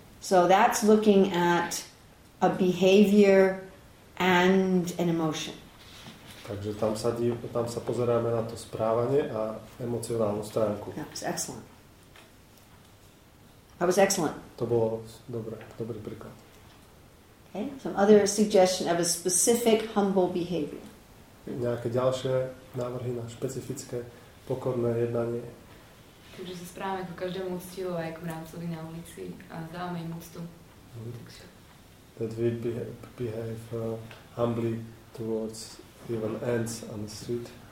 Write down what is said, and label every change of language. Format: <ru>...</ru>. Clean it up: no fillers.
<en>So that's looking at a behavior and an emotion.</en> <sk>Takže tam sa pozeráme na to správanie a emocionálnu stránku.</sk> <en>That was excellent.</en> <sk>To bolo dobré, dobrý príklad.</sk> <en>Okay. Some other suggestion of a specific humble behavior.</en> <sk>Nejaké ďalšie návrhy na špecifické pokorné jednanie. Takže sa správame ako každému úctivo, aj ako mravcovi na ulici a dávame im úctu.</sk> <en>That we behave humbly towards even ants on the street.</en>